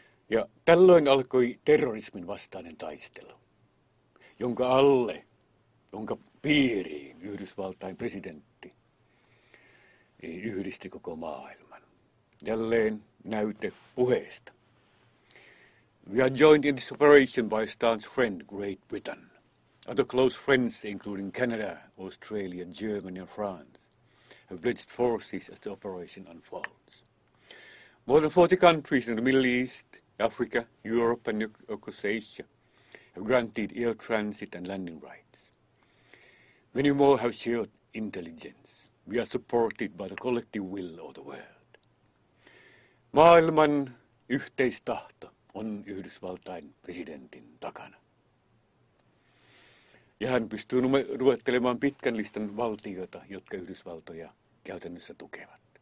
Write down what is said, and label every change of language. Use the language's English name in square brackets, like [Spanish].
[Finnish] Ja tällöin alkoi terrorismin vastainen taistelu, jonka alle, jonka piiriin Yhdysvaltain presidentti yhdisti koko maailman. Jälleen näyte puheesta. [English] We are joined in this operation by Stan's friend Great Britain. Other close friends, including Canada, Australia, Germany and France, have pledged forces as the operation unfolds. More than 40 countries in the Middle East, Africa, Europe and across Asia have granted air transit and landing rights. Many more have shared intelligence. We are supported by the collective will of the world. [Finnish] Maailman yhteistahto on Yhdysvaltain presidentin takana. Ja hän pystyy ruvettelemaan pitkän listan valtioita, jotka Yhdysvaltoja käytännössä tukevat.